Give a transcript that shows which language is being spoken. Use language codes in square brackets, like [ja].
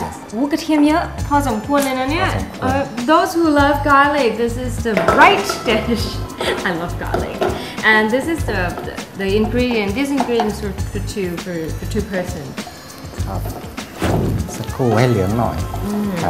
[th] โอ้กระเทียมเยอะพอสมควรเลยนะเนี่ย [en] Those who love garlic, this is the right dish. I love garlic, and this is the ingredient. These ingredients are for two person. [th] ครับสักครู่ให้เหลืองหน่อยคร